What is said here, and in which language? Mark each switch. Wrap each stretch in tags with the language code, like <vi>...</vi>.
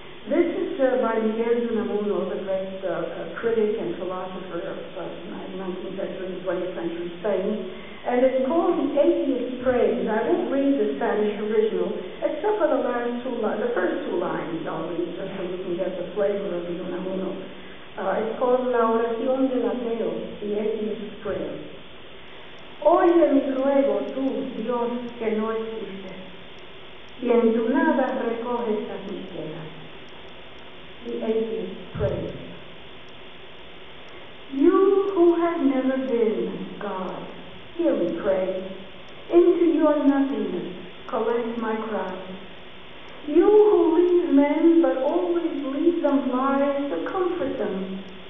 <en>This is by Miguel Unamuno, the great critic and philosopher of 19th century, 20th century Spain, and it's called The Atheist Praise. I won't read the Spanish original, except for the last two lines, the first two lines, I'll read just so we can get the flavor of the Unamuno. It's called La Oración del Ateo, The Atheist Prayer.</en> <es>Oye mi ruego tú, Dios, que no existe, y en tu nada recoges a tu tierra.</es> <en>The Atheist Prayer. You who have never been God, hear me pray. Into your nothingness collect my cry. You who leave men but always leave them lies to comfort them.</en>